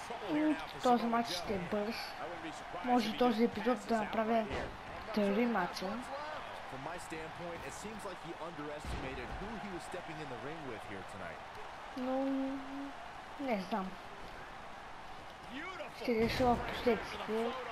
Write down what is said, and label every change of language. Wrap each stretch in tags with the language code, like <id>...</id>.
<bg>И този матч ще е бърз. Може този епизод да направя 3 матча.</bg> <en>From my standpoint, it seems like he underestimated who he was stepping in the ring with here tonight.</en> <bg>No, не знам. Ще решава в последствие.</bg>